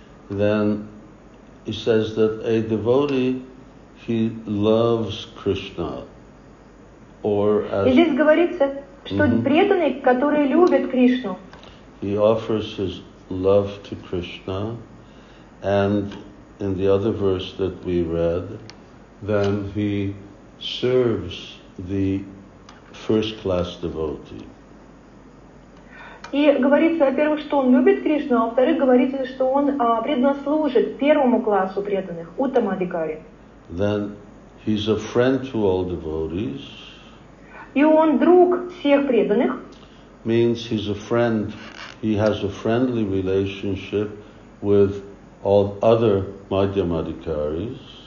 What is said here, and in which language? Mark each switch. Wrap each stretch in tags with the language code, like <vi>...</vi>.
<en>then he says that a devotee, he loves Krishna, or as...</en> <ru>И здесь говорится, что преданный, который любит Кришну,</ru> <en>he offers his love to Krishna, and in the other verse that we read, then he serves the first class devotee.</en> <ru>И говорится, во-первых, что он любит Кришну, а во-вторых, говорится, что он преднослужит первому классу преданных, Уттамадикари.</ru> <en>Then he's a friend to all devotees.</en> <ru>И он друг всех преданных.</ru> <en>Means he's a friend he has a friendly relationship with all other madhyamadhikaris.</en>